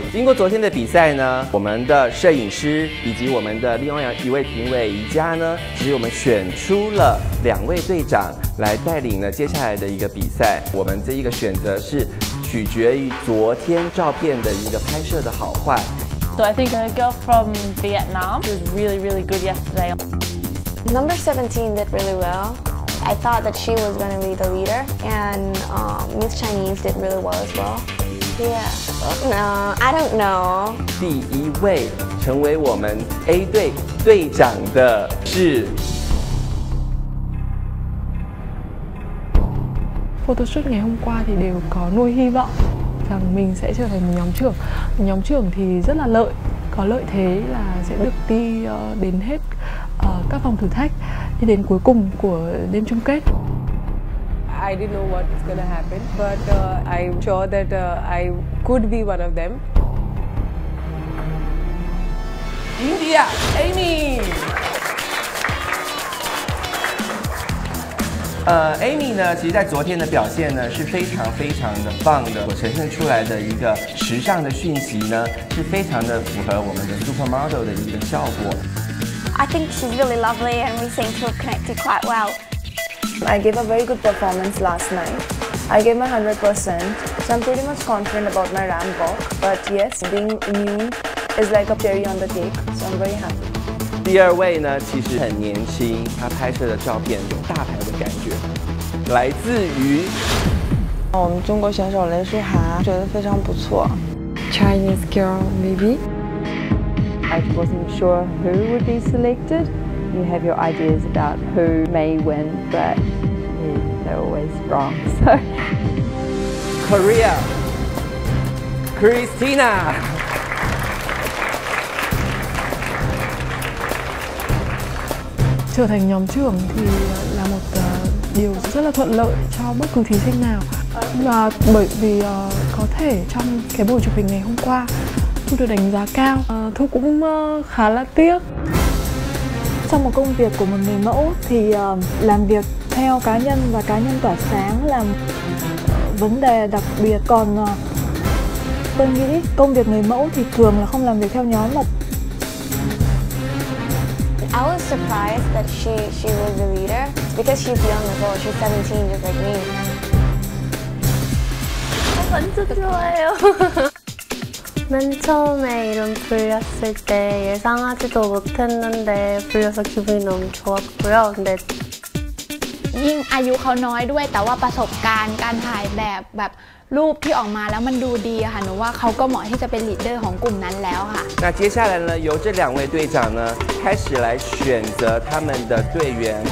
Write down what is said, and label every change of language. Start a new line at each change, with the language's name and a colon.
Chinese: 经过昨天的比赛呢，我们的摄影师以及我们的另外一位评委怡佳呢，其实我们选出了2位队长来带领呢接下来的一个比赛。我们这一个选择是取决于昨天照片的一个拍摄的好坏。
English: So I think a girl from Vietnam was really, really good yesterday. Number 17 did really well. I thought that she was going to be the leader. And Miss Chinese did really well as well. Yeah. No, I don't know.
Chinese: 第一位成为我们 A 队队长的是
Vietnamese: Phô tô suốt ngày hôm qua thì đều có nuôi hy vọng rằng mình sẽ trở thành một nhóm trưởng. Nhóm trưởng thì rất là lợi. Có lợi thế là sẽ được đi đến hếtcác phòng thử thách đi đến cuối cùng của đêm chung kết.
English: I didn't know what is gonna happen, but I'm sure that I could be one of them. India, Amy.
Chinese: Amy 呢，其实在昨天的表现呢是非常非常的棒的，所呈现出来的一个时尚的讯息呢是非常的符合我们的 supermodel 的一个效果。
English: I think she's really lovely and we seem to have connected quite well. I gave a very good performance last night. I gave my 100%, so I'm pretty much confident about my ramp walk. But yes, being new is like a cherry on the cake, so I'm very happy.
Chinese: 第二位呢，其实很年轻，他拍摄的照片有大牌的感觉，来自于我们中国选手雷舒涵，觉得非常不错。
English: Chinese girl, maybe? I wasn't sure who would be selected. You have your ideas about who may win, but they're always wrong. So. Korea, Christina.
Vietnamese: Trở thành nhóm trưởng thì là một điều rất là thuận lợi cho bất cứ thí sinh nào. Và bởi vì có thể trong cái buổi chụp hình ngày hôm qua Thu được đánh giá cao, Thu cũng khá là tiếc. Trong một công việc của một người mẫu thì làm việc theo cá nhân và cá nhân tỏa sáng là vấn đề đặc biệt. Còn tôi nghĩ công việc người mẫu thì thường là không làm việc theo nhóm mà.
English: I was surprised that she was the leader because she's young as well. She's 17, just like me.
Korean: I 완전 좋아해요. 맨 처음에 이름 불렸을 때 예상하지도 못했는데 불려서 기분이 너무 좋았고요. 근데
Thai: ยิ่ง อายุ เขา น้อย ด้วย แต่ ว่า ประสบการณ์ การ ถ่าย แบบ รูป ที่ ออก มา แล้ว มัน ดู ดี ค่ะ หนู ว่า เขา ก็ เหมาะ ที่ จะ เป็น ลีดเดอร์ ของ กลุ่ม นั้น แล้ว ค่ะ
Chinese: 那 接下来 呢 由 这 两 位 队长 呢 开始 来 选择 他 们 的 队员